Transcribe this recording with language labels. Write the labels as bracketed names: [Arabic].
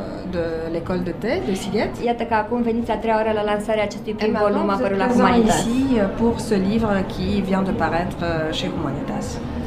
[French] De l'école de thé de Siget. [Romanian] Iată că acum veniți a treia oară la lansarea acestui prim volum apărut la Humanitas. [French] Et maintenant, vous êtes présent ici pour ce livre qui vient de paraître chez Humanitas.